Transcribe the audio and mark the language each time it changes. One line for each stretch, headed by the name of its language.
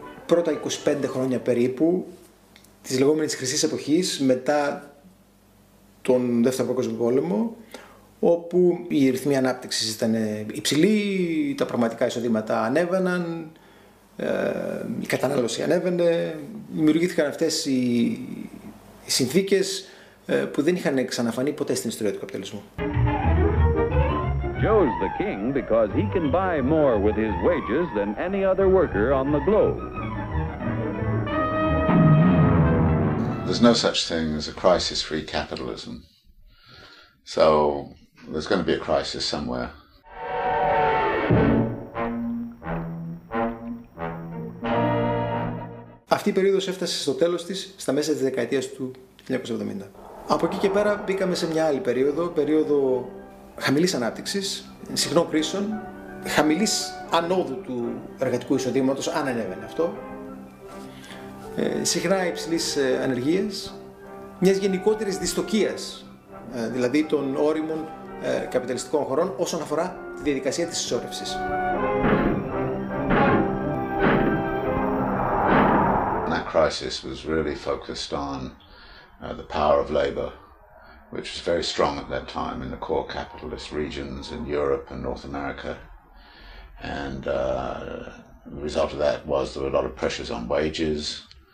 Greek: πρώτα 25 χρόνια περίπου της λεγόμενης Χρυσής Εποχής, μετά τον Δεύτερο Παγκόσμιο Πόλεμο, όπου οι ρυθμοί ανάπτυξης ήταν υψηλοί, τα πραγματικά εισοδήματα ανέβαιναν, η κατανάλωση ανέβαινε, δημιουργήθηκαν αυτές οι συνθήκες που δεν είχαν ξαναφανεί ποτέ στην ιστορία του καπιταλισμού.
English: Joe's the king because he can buy more with his wages than any other worker on the globe. There's no such thing as a crisis-free capitalism. So there's going to be a crisis somewhere.
Greek: Αυτή η περίοδος έφτασε στο τέλος της, στα μέσα της δεκαετίας του 1970. Από εκεί και πέρα μπήκαμε σε μια άλλη περίοδο, περίοδο χαμηλής ανάπτυξης, συχνών κρίσεων, χαμηλής ανόδου του εργατικού εισοδήματος, αν ανέβαινε αυτό, συχνά υψηλής ανεργίας, μιας γενικότερης δυστοκίας, δηλαδή των όριμων καπιταλιστικών χωρών, όσον αφορά τη διαδικασία της συσσόρευσης.
English: That crisis was really focused on the power of labor, which was very strong at that time in the core capitalist regions in Europe and North America. And the result of that was there were a lot of pressures on wages.